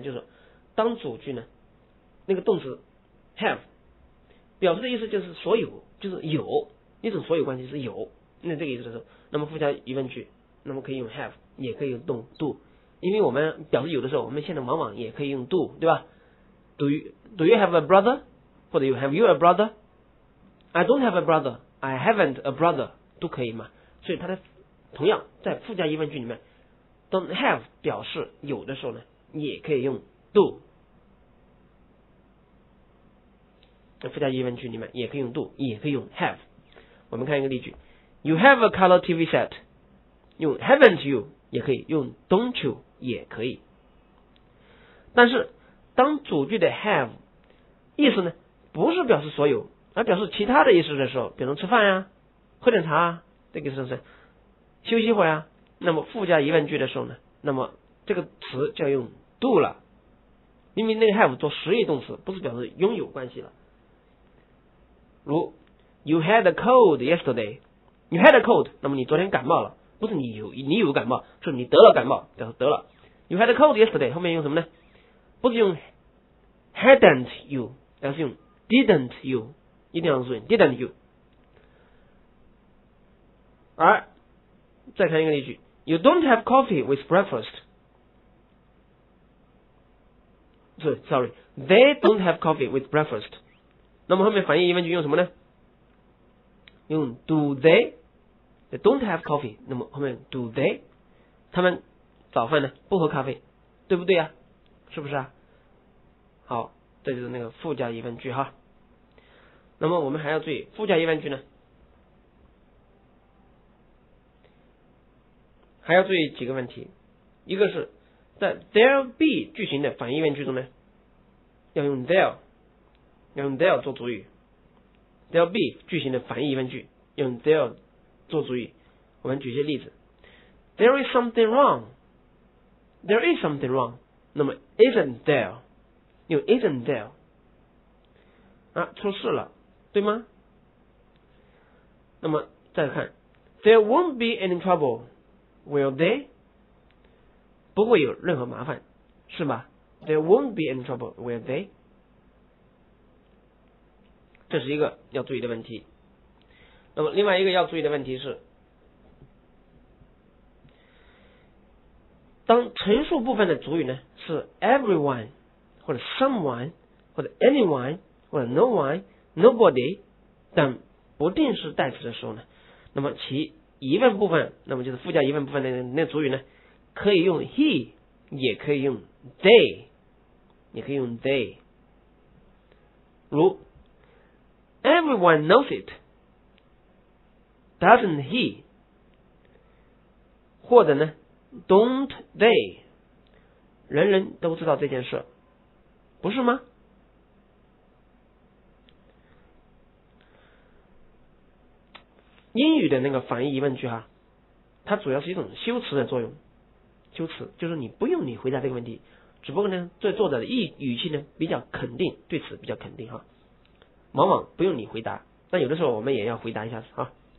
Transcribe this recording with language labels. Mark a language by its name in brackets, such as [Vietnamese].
[Chinese] 就是当主句呢那个动词 have 表示的意思就是所有，就是有一种所有关系是有，那这个意思的时候，那么附加疑问句那么可以用 have 也可以用 do， 因为我们表示有的时候我们现在往往也可以用 do， 对吧？ [English] Do you have a brother？ [Chinese] 或者 [English] have you a brother？ I don't have a brother， I haven't a brother， [Chinese] 都可以嘛。所以它的同样在附加疑问句里面，当 have 表示有的时候呢也可以用 do， 附加疑问句里面也可以用 do 也可以用 have。我们看一个例句， [English] You have a color TV set， [Chinese] 用 [English] haven't you [Chinese] 也可以，用 [English] don't you [Chinese] 也可以。但是当主句的 have 意思呢不是表示所有，而表示其他的意思的时候，比如吃饭呀、喝点茶啊，这个是不是休息会啊，那么附加疑问句的时候呢，那么这个词就要用 do 了。明明那个 have 做实义动词，不是表示拥有关系了。如 [English] You had a cold yesterday， You had a cold， [Chinese] 那么你昨天感冒了，不是你有感冒，是你得了感冒，表示得了。 [English] You had a cold yesterday， [Chinese] 后面用什么呢？ [English] 不是用 hadn't you， 而是用 didn't you， [Chinese] 一定要注意 [English] didn't you。 [Chinese] 而再看一个例句， [English] You don't have coffee with breakfast， sorry， They don't have coffee with breakfast。 [Chinese] 那么后面反义疑问句用什么呢？用 do they， [English] They don't have coffee， [Chinese] 那么后面 [English] do they， [Chinese] 他们早饭呢不喝咖啡，对不对啊？是不是啊？好，这就是那个附加疑问句哈。那么我们还要注意附加疑问句呢还要注意几个问题，一个是在 there be 句型的反义问句中呢要用 there， 要用 there 做主语， there be 句型的反义问句用 there做主语。我们举一些例子， [English] There is something wrong， There is something wrong， 那么 isn't there， 用 isn't there 啊， [Chinese] 出事了对吗？ [English] 那么再看， There won't be any trouble will they， [Chinese] 不会有任何麻烦是吧？ [English] There won't be any trouble will they， [Chinese] 这是一个要注意的问题。那么另外一个要注意的问题是，当陈述部分的主语呢是 everyone 或者 someone 或者 anyone 或者 no one nobody 等不定式代词的时候呢，那么其疑问部分，那么就是附加疑问部分的那主语呢可以用 he 也可以用 they， 也可以用 they。 [English] 如 everyone knows itDoesn't he？或者呢 ，Don't they？ [Chinese] 人人都知道这件事，不是吗？英语的那个反义疑问句哈，它主要是一种修辞的作用，修辞就是你不用你回答这个问题，只不过呢，对作者的语气呢比较肯定，对此比较肯定哈，往往不用你回答，但有的时候我们也要回答一下哈。